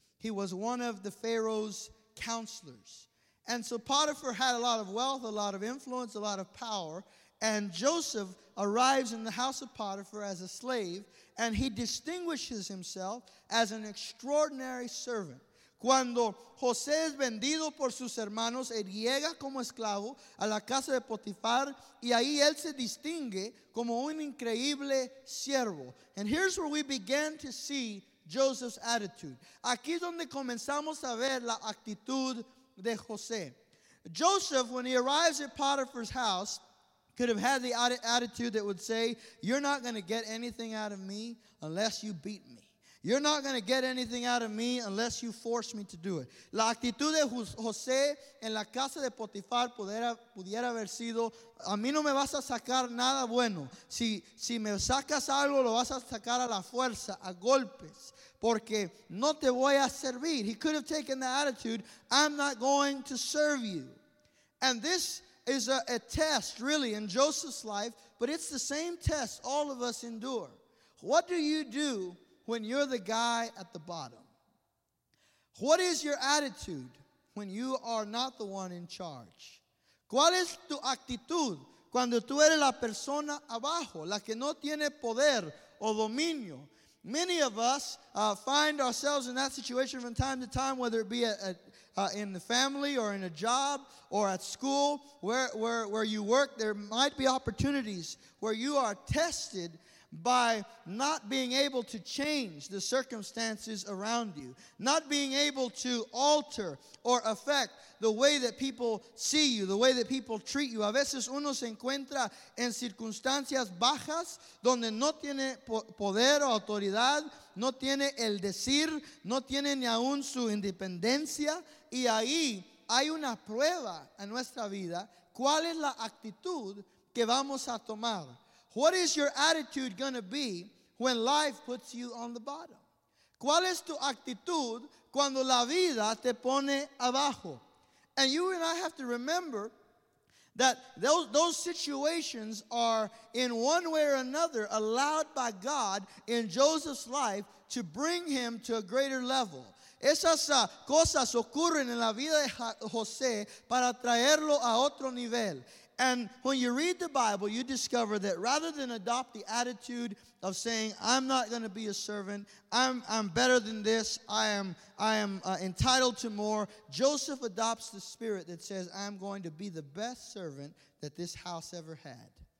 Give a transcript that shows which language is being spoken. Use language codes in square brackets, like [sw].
[en] He was one of the Pharaoh's counselors. And so Potiphar had a lot of wealth, a lot of influence, a lot of power. And Joseph arrives in the house of Potiphar as a slave, and he distinguishes himself as an extraordinary servant. [es] Cuando José es vendido por sus hermanos, él llega como esclavo a la casa de Potifar, y ahí él se distingue como un increíble siervo. [en] And here's where we began to see Joseph's attitude. [es] Aquí es donde comenzamos a ver la actitud de José. [en] Joseph, when he arrives at Potiphar's house, could have had the attitude that would say, you're not going to get anything out of me unless you beat me. You're not going to get anything out of me unless you force me to do it. [es] La actitud de José en la casa de Potifar pudiera haber sido, a mí no me vas a sacar nada bueno. Si me sacas algo, lo vas a sacar a la fuerza, a golpes, porque no te voy a servir. [en] He could have taken the attitude, I'm not going to serve you. And this is a test, really, in Joseph's life, but it's the same test all of us endure. What do you do when you're the guy at the bottom? What is your attitude when you are not the one in charge? [es] ¿Cuál es tu actitud cuando tú eres la persona abajo, la que no tiene poder o dominio? [en] Many of us find ourselves in that situation from time to time, whether it be in the family or in a job or at school where you work. There might be opportunities where you are tested by not being able to change the circumstances around you, not being able to alter or affect the way that people see you, the way that people treat you. [es] A veces uno se encuentra en circunstancias bajas donde no tiene poder o autoridad, no tiene el decir, no tiene ni aún su independencia. Y ahí hay una prueba en nuestra vida. ¿Cuál es la actitud que vamos a tomar? [en] What is your attitude going to be when life puts you on the bottom? [es] ¿Cuál es tu actitud cuando la vida te pone abajo? [en] And you and I have to remember that those situations are in one way or another allowed by God in Joseph's life to bring him to a greater level. [es] Esas cosas ocurren en la vida de José para traerlo a otro nivel. [en] And when you read the Bible, you discover that rather than adopt the attitude of saying, I'm not going to be a servant, I'm better than this, I am entitled to more, Joseph adopts the spirit that says, I'm going to be the best servant that this house ever had.